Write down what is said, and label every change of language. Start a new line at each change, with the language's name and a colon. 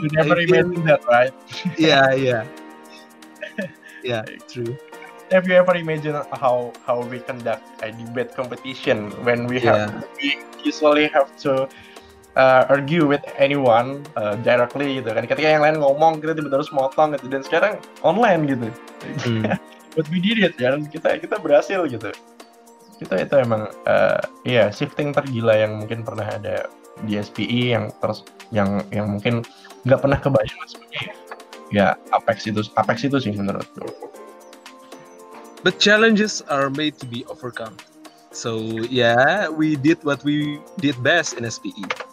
English: You never imagine that, right? Yeah, true. Have you ever imagined how we conduct a debate competition when we usually have to argue with anyone directly
Indonesian: gitu kan? Ketika yang lain ngomong kita tiba-tiba harus motong gitu, dan sekarang online gitu.
English: But we did it,
Indonesian: dan kita berhasil gitu. Kita itu emang shifting tergila yang mungkin pernah ada di SPI yang mungkin nggak pernah kebayang sebenarnya. Ya Apex itu sih menurutku.
English: But challenges are made to be overcome. So yeah, we did what we did best in SPE.